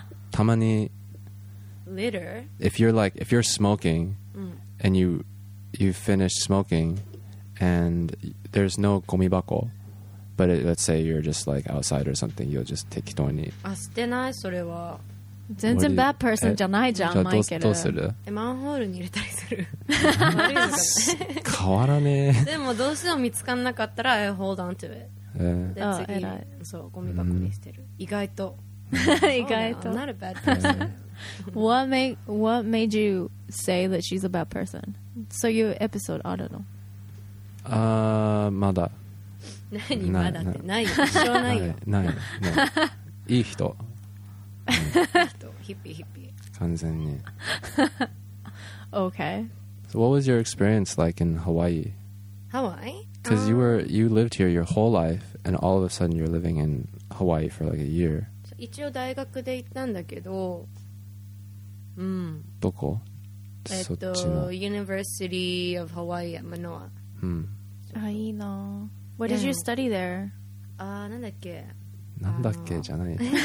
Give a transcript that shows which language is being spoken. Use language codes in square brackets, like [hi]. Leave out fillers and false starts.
[ja] たまに... [en] Litter? If you're like, if you're smoking, and you finish smoking, and there's no gomibako, but it, let's say you're just like outside or something, you'll just take toni. [ja] あ、捨てない、それは。全然 [en] bad person [ja] じゃないじゃん、マイケル。どうする? マンホールに入れたりする。変わらねえ。でもどうしても見つかんなかったら、 [en] I hold on to it. [ja] で次、そう、ゴミ箱にしてる。意外と。意外と。 [en] I'm not a bad person. What made you say that she's a bad person? So your episode, I don't know. [ja] まだ。何まだってないよ。一生ないよ。ない。いい人。ヒッピーヒッピー。完全に。 [en] Okay. So what was your experience like in Hawaii? Hawaii? Because you lived here your whole life, and all of a sudden you're living in Hawaii for like a year. [ja] 一応大学で行ったんだけど、どこ？ [en] University of Hawaii at Manoa. Ah, [ja] いいな。 [en] What did you study there? [ja] Ah, なんだっけ？なんだっけじゃない。